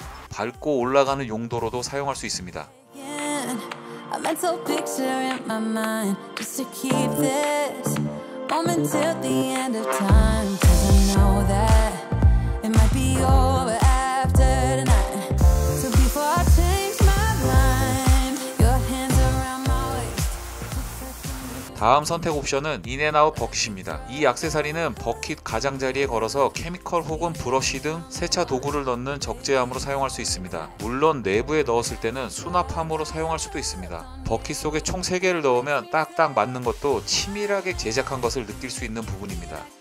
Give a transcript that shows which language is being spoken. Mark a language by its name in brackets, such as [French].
[Korean] 밟고 올라가는 용도로도 사용할 수 있습니다. [English] A mental picture in my mind just to keep this moment till the end of time. Cause I know that it might be over after tonight. So before I change my mind, your hands around my waist. [Korean] 다음 선택 옵션은 인앤아웃 버킷입니다. 이 악세사리는 버킷 가장자리에 걸어서 케미컬 혹은 브러쉬 등 세차 도구를 넣는 적재함으로 사용할 수 있습니다. 물론 내부에 넣었을 때는 수납함으로 사용할 수도 있습니다. 버킷 속에 총 3개를 넣으면 딱딱 맞는 것도 치밀하게 제작한 것을 느낄 수 있는 부분입니다.